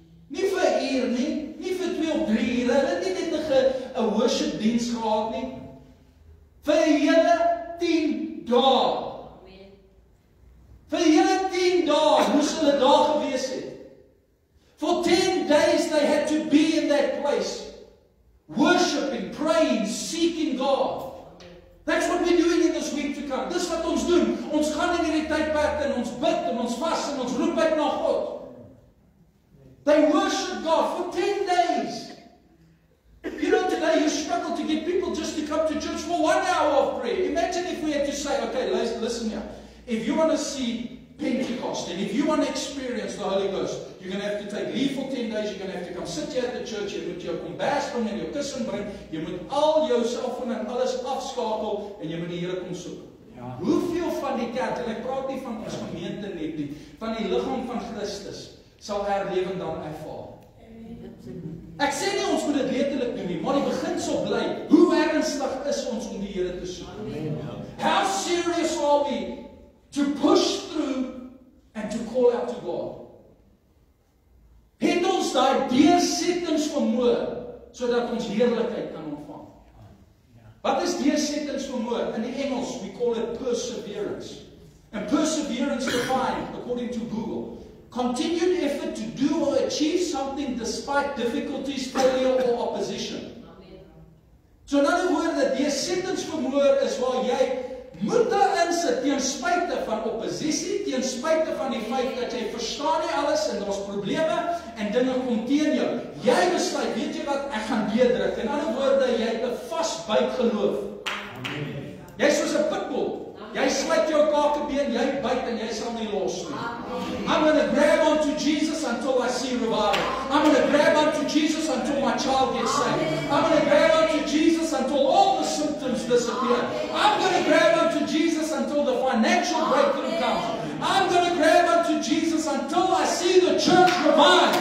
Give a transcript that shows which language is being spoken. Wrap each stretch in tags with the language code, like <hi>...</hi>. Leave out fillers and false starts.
<af>Nie vir 'n uur nie, nie vir 2 of 3 ure, hulle het nie net 'n worship diens gehad nie. Vir 'n hele 10 dae. Vir die hele 10 dae moes hulle daar gewees het.</af> <en>For 10 days they had to be in that place. Worshiping, praying, seeking God. That's what we're doing in this week to come.</en> <af>Dis wat ons doen. Ons gaan in hierdie tydperk en ons bid en ons vas en ons roep uit na God.</af> <en>They worship God for 10 days. You know, today you struggle to get people just to come to church for 1 hour of prayer. Imagine if we had to say, okay, listen here. If you want to see Pentecost, and if you want to experience the Holy Ghost, you're going to have to take leave for 10 days, you're going to have to come sit here at the church, you</en> <af>moet jou kombers bring en jou kussing bring,</af> <en>you</en> <af>moet al jou selfoon en alles afskakel, en jy moet die Here kom soek. Ja. Hoeveel van die kerk, en ek praat nie van ons gemeente net nie, van die liggaam van Christus, sal herlewing dan ervaar? Ek sê nie ons moet dit letterlik doen nie, maar die beginsel bly, hoe ernstig is ons om die Here te soek?</af> <en>How serious are we? To push through and to call out to God.</en> <af>Het ons daai deursettingsvermoë sodat ons heerlikheid kan ontvang. Wat is deursettingsvermoë? In die Engels,</af> <en>we call it perseverance. And perseverance defined, according to Google, continued effort to do or achieve something despite difficulties, failure or opposition. So in other words, the</en> <af>deursettingsvermoë is waar jy moet daarin sit, ten spyte van oppositie, ten spyte van die feit dat jy verstaan nie alles en daar's probleme en dinge kom teen jou. Jy besluit, weet jy wat, ek gaan deurdruk. In ander woorde, jy het 'n vasbyt geloof. Jy's soos 'n pitbull. Jy sluit jou kakebeen, jy byt en jy sal nie los nie.</af> <en>I'm going to grab onto Jesus until I see revival. I'm going to grab onto Jesus until my child gets saved. I'm going to grab onto Jesus until all the symptoms disappear. I'm going to grab onto Jesus until the financial breakthrough comes. I'm going to grab onto Jesus until I see the church revive.</en>